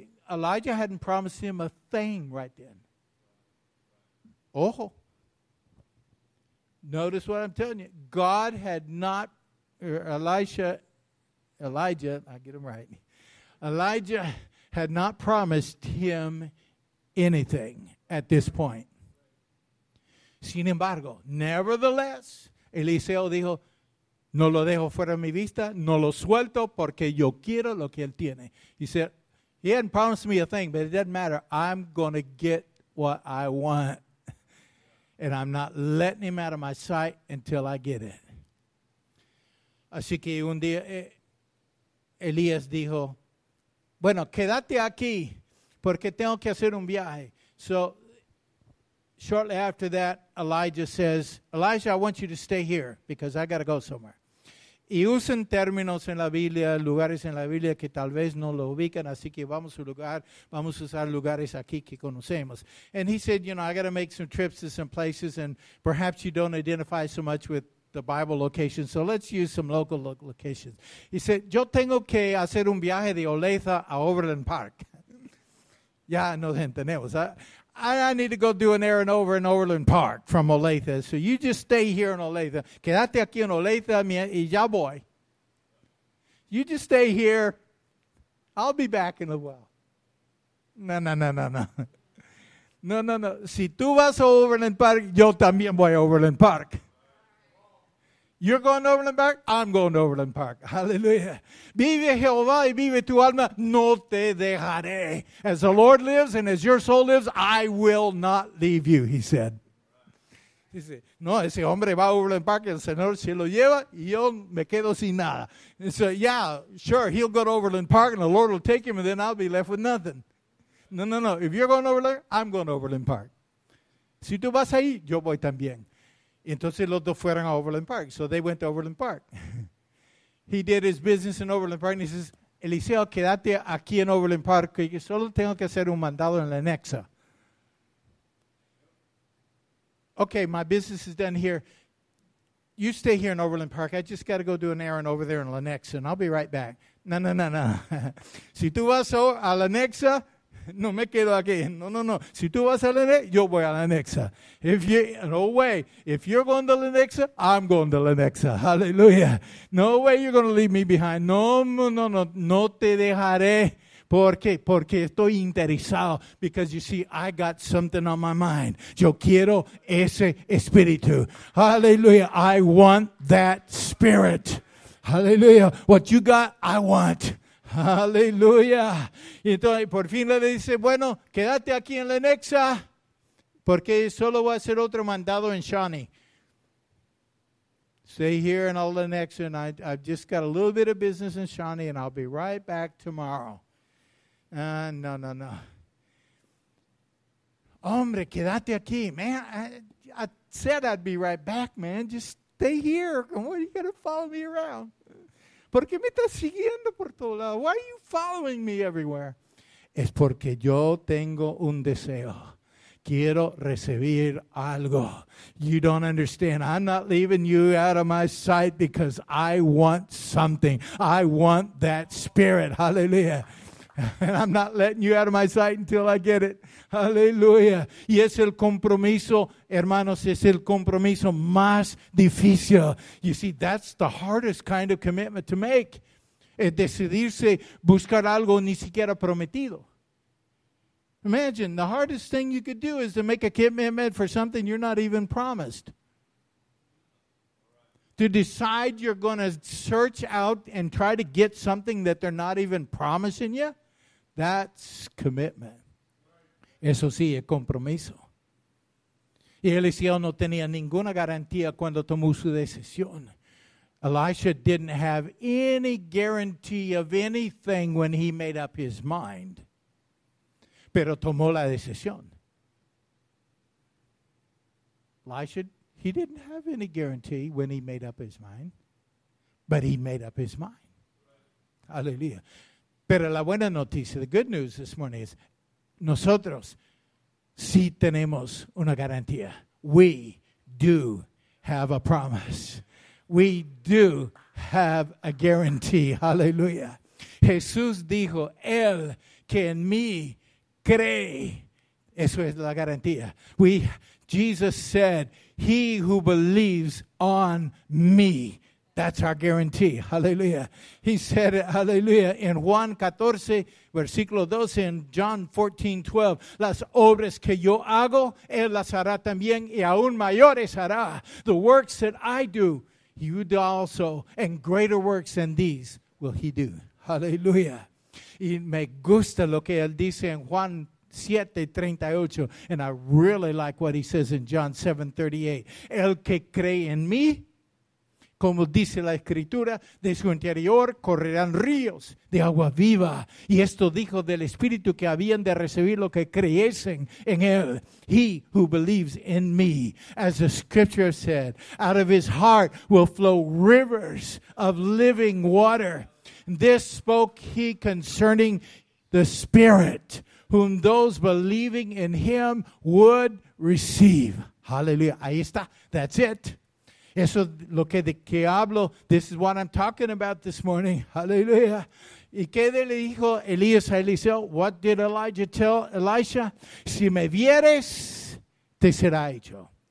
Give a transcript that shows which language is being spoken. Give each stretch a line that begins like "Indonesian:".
English: Elijah hadn't promised him a thing right then. Ojo. Notice what I'm telling you. God had not, Elijah, I get him right. Elijah had not promised him anything at this point.
Spanish: Sin embargo, nevertheless, Eliseo dijo, No lo dejo fuera de mi vista. No lo suelto porque yo quiero lo que él tiene.
English: He said, he hadn't promised me a thing, but it doesn't matter. I'm going to get what I want. And I'm not letting him out of my sight until I get it.
Spanish: Así que un día Elías dijo, bueno, quédate aquí porque tengo que hacer un viaje.
English: So shortly after that, Elijah says, Elijah, I want you to stay here because I got to go somewhere.
Spanish: Y usan términos en la Biblia, lugares en la Biblia que tal vez no lo ubican, así que vamos a lugar, vamos a usar lugares aquí que conocemos.
English: And he said, you know, I got to make some trips to some places, and perhaps you don't identify so much with the Bible location, so let's use some local locations. He said,
Spanish: yo tengo que hacer un viaje de Olathe a Overland Park. Ya nos entendemos.
English: I need to go do an errand over in Overland Park from Olathe. So you just stay here in Olathe.
Spanish: Quédate aquí en Olathe y ya voy.
English: You just stay here. I'll be back in a while. No. No.
Spanish: Si tú vas a Overland Park, yo también voy a Overland Park.
English: You're going to Overland Park? I'm going to Overland Park. Hallelujah.
Spanish: Vive Jehová y vive tu alma. No te dejaré.
English: As the Lord lives and as your soul lives, I will not leave you, he said.
Spanish: Dice, no, ese hombre va a Overland Park y el Señor se lo lleva y yo me quedo sin nada.
English: He said, yeah, sure, he'll go to Overland Park and the Lord will take him and then I'll be left with nothing. No. If you're going to Overland, I'm going to Overland Park.
Spanish: Si tú vas ahí, yo voy también. Entonces los dos fueron a Overland Park.
English: So they went to Overland Park. He did his business in Overland Park. And he says,
Spanish: Eliseo, quédate aquí en Overland Park. Que solo tengo que hacer un mandado en la Nexa.
English: Okay, my business is done here. You stay here in Overland Park. I just got to go do an errand over there in la Nexa. And I'll be right back. No.
Spanish: Si tú vas a la Nexa, no me quedo aquí. No. Si tú vas a Lenexa, yo voy a Lenexa.
English: If you're going to Lenexa, I'm going to Lenexa. Hallelujah. No way you're going to leave me behind.
Spanish: No. No te dejaré. ¿Por qué? Porque estoy interesado.
English: Because you see, I got something on my mind.
Spanish: Yo quiero ese espíritu. Hallelujah.
English: I want that spirit. Hallelujah. What you got, I want. Aleluya.
Spanish: Y entonces por fin le dice, bueno, quédate aquí en la Nexa, porque solo voy a hacer otro mandado en Shawnee.
English: Stay here in all the Nexa, and I've just got a little bit of business in Shawnee, and I'll be right back tomorrow. No.
Spanish: Hombre, quédate aquí,
English: man. I said I'd be right back, man. Just stay here. What are you going to follow me around?
Spanish: ¿Por qué me estás siguiendo por todo lado?
English: Why are you following me everywhere?
Spanish: Es porque yo tengo un deseo. Quiero recibir algo.
English: You don't understand. I'm not leaving you out of my sight because I want something. I want that spirit. Hallelujah. And I'm not letting you out of my sight until I get it. Hallelujah.
Spanish: Y es el compromiso, hermanos, es el compromiso más difícil.
English: You see, that's the hardest kind of commitment to make.
Spanish: Es decidirse buscar algo ni siquiera prometido.
English: Imagine, the hardest thing you could do is to make a commitment for something you're not even promised. To decide you're going to search out and try to get something that they're not even promising you. That's commitment.
Spanish: Eso sí, es compromiso. Y Eliseo no tenía ninguna garantía cuando tomó su decisión.
English: Elisha didn't have any guarantee of anything when he made up his mind.
Spanish: Pero tomó la decisión.
English: Elisha, he didn't have any guarantee when he made up his mind. But he made up his mind. Hallelujah.
Spanish: Pero la buena noticia,
English: the good news this morning is,
Spanish: nosotros sí tenemos una garantía.
English: We do have a promise. We do have a guarantee. Hallelujah.
Spanish: Jesús dijo, el que en mí cree. Eso es la garantía.
English: Jesus said, he who believes on me. That's our guarantee. Hallelujah. He said it. Hallelujah.
Spanish: In Juan 14, versículo 12,
English: in John 14, 12,
Spanish: las obras que yo hago, él las hará también y aún mayores hará.
English: The works that I do, you do also, and greater works than these will he do. Hallelujah.
Spanish: Y me gusta lo que él dice en Juan 7:38,
English: and I really like what he says in John 7:38.
Spanish: El que cree en mí, como dice la Escritura, de su interior correrán ríos de agua viva. Y esto dijo del Espíritu que habían de recibir lo que creyesen en él.
English: He who believes in me, as the Scripture said, out of his heart will flow rivers of living water. This spoke he concerning the Spirit, whom those believing in him would receive. Hallelujah.
Spanish: Ahí está.
English: That's it.
Spanish: Eso es lo que de que hablo.
English: This is what I'm talking about this morning. Hallelujah.
Spanish: ¿Y qué le dijo Elías a Eliseo?
English: What did Elijah tell Elisha?
Spanish: Si me vieres, te será hecho.